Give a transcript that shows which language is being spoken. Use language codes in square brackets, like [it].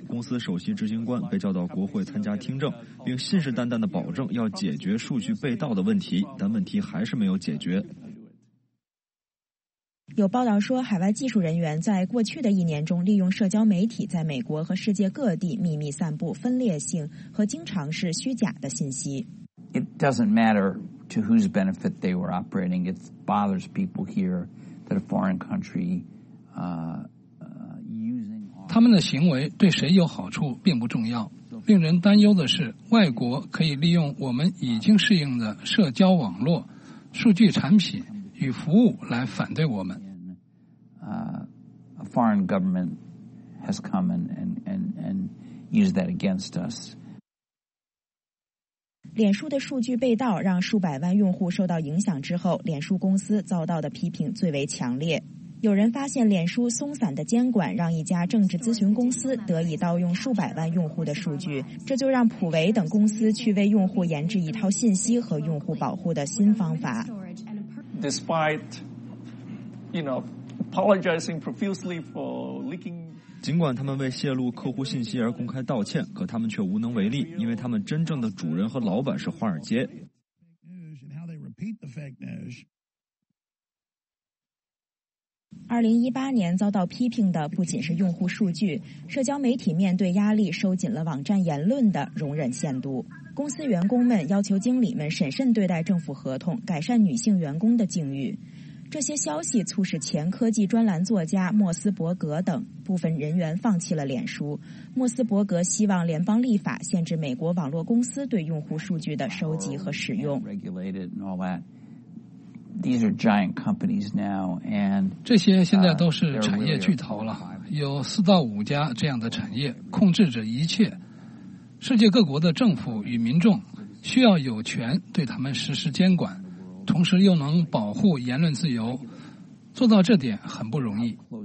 [zh] 公司首席执行官被叫到国会参加听证，并信誓旦旦地保证要解决数据被盗的问题，但问题还是没有解决。有报道说，海外技术人员在过去的一年中利用社交媒体在美国和世界各地秘密散布分裂性和经常是虚假的信息。 [en] It doesn't matter to whose benefit they were operating. It bothers people here that a foreign country using. [zh] 他们的行为对谁有好处并不重要。令人担忧的是，外国可以利用我们已经适应的社交网络、数据产品与服务来反对我们。 [en] A foreign government has come and used that against us. [zh] 脸书的数据被盗让数百万用户受到影响之后，脸书公司遭到的批评最为强烈。有人发现脸书松散的监管让一家政治咨询公司得以盗用数百万用户的数据，这就让普维等公司去为用户研制一套信息和用户保护的新方法。 [en] Despite, you know, apologizing profusely for leaking... [zh] 尽管他们为泄露客户信息而公开道歉，可他们却无能为力，因为他们真正的主人和老板是华尔街。 2018年遭到批评的不仅是用户数据，社交媒体面对压力收紧了网站言论的容忍限度。公司员工们要求经理们审慎对待政府合同，改善女性员工的境遇。这些消息促使前科技专栏作家莫斯伯格等部分人员放弃了脸书。莫斯伯格希望联邦立法限制美国网络公司对用户数据的收集和使用。 [en] These are giant companies now, and [zh] 这些现在都是产业巨头了，有4到5家这样的产业控制着一切。世界各国的政府与民众需要有权对他们实施监管。同时又能保护言论自由，做到这点很不容易。